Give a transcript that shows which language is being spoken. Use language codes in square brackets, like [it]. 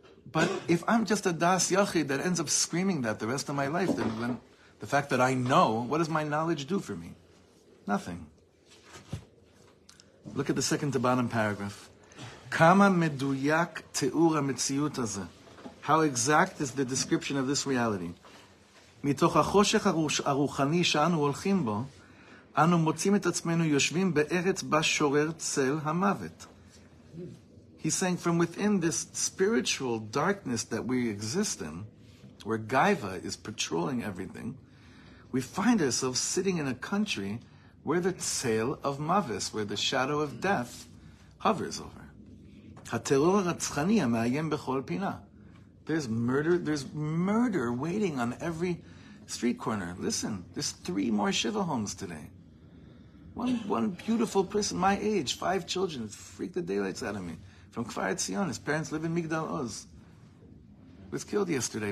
[en] But if I'm just a das yachid that ends up screaming that the rest of my life, then the fact that I know, what does my knowledge do for me? Nothing. Look at the second to bottom paragraph. [he] Kama meduyak te'ur ha-metziyut hazeh. [en] How exact is the description of this reality? [he] Mitoch ha-choshech ha-ruchani she'anu holchim bo, אנו מוצאים את עצמנו יושבים בארץ בשורר צל המוות. [en] He's saying, from within this spiritual darkness that we exist in, where Gaiva is patrolling everything, we find ourselves sitting in a country where the tzel of mavis, where the shadow of death, hovers over. [he] הטרור הרצחני המאיים בכל פינה. [en] There's murder waiting on every street corner. Listen, there's three more Shiva homes today. One beautiful person, my age, 5 children, freaked the daylights out of me, from Kfar Etzion. His parents live in Migdal Oz. Was killed yesterday.